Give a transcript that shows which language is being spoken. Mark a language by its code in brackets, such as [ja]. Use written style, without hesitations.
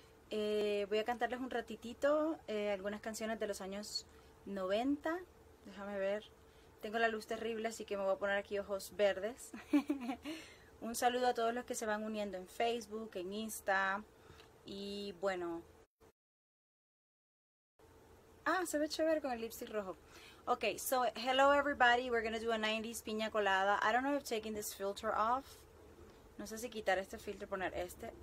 [es] Voy a cantarles un ratitito algunas canciones de los años 90. Déjame ver. Tengo la luz terrible, así que me voy a poner aquí ojos verdes. Un saludo a todos los que se van uniendo en Facebook, en Insta. Y bueno. Ah, se ve chévere con el lipstick rojo. [en] Ok, so hello everybody. We're going to do a 90s piña colada. I don't know if taking this filter off. [es] No sé si quitar este filtro y poner este.